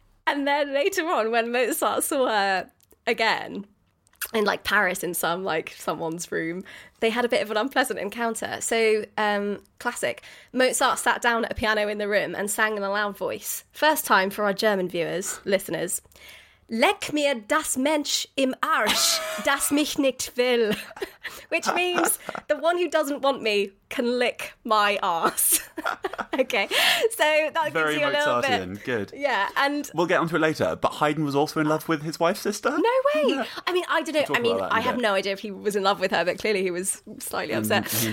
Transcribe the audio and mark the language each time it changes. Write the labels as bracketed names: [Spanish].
[English] And then later on, when Mozart saw her again in, like, Paris in some, like, someone's room, they had a bit of an unpleasant encounter. So, classic. Mozart sat down at a piano in the room and sang in a loud voice. First time for our German viewers, listeners. [German] Leck mir das Mensch im Arsch, das mich nicht will. [English] Which means, the one who doesn't want me can lick my ass. Okay, so that very gives you Mozartian. A little bit. Good. Yeah, and we'll get onto it later, but Haydn was also in love with his wife's sister? No way! Yeah. I mean, I don't know. We'll I mean, I have bit. No idea if he was in love with her, but clearly he was slightly upset.